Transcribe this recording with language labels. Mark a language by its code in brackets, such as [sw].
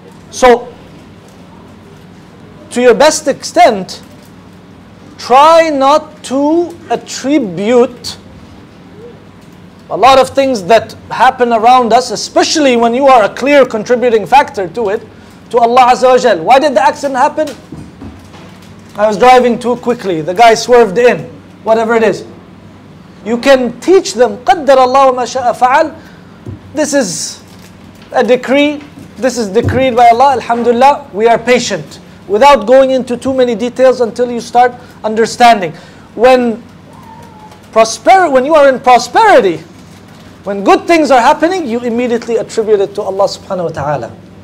[en] So, to your best extent, try not to attribute a lot of things that happen around us, especially when you are a clear contributing factor to it, to Allah Azza wa Jal. Why did the accident happen? I was driving too quickly, the guy swerved in, whatever it is. You can teach them, [ar] قَدَّرَ اللَّهُ مَا شَاءَ فَعَلْ. [en] This is a decree, this is decreed by Allah, alhamdulillah, we are patient. Without going into too many details until you start understanding. When you are in prosperity, when good things are happening, you immediately attribute it to Allah subhanahu wa ta'ala.